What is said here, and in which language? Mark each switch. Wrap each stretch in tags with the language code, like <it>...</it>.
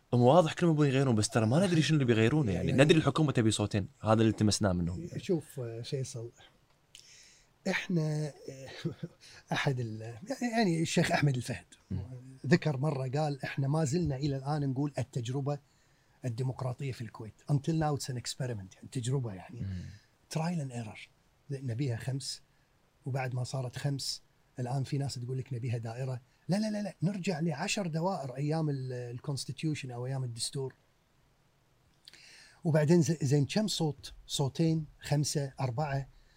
<ar>أم واضح كلهم يبون يغيرون، بس ترى ما ندري شنو اللي بيغيرونه. يعني ندري الحكومة تبي صوتين، هذا اللي التمسناه منهم. شوف فيصل، إحنا أحد يعني الشيخ أحمد الفهد ذكر مرة قال إحنا ما زلنا إلى الآن نقول التجربة الديمقراطية في الكويت.</ar> <en>Until now it's an experiment،</en> <ar>تجربة يعني</ar> <en>trial and error.</en> <ar>نبيها 5، وبعد ما صارت 5 الآن في ناس تقول لك نبيها دائرة. لا لا لا لا، نرجع لعشر دوائر أيام الكونستيتيوشن أو أيام الدستور. وبعدين زين، كم صوت؟ صوتين، 5، 4.</ar>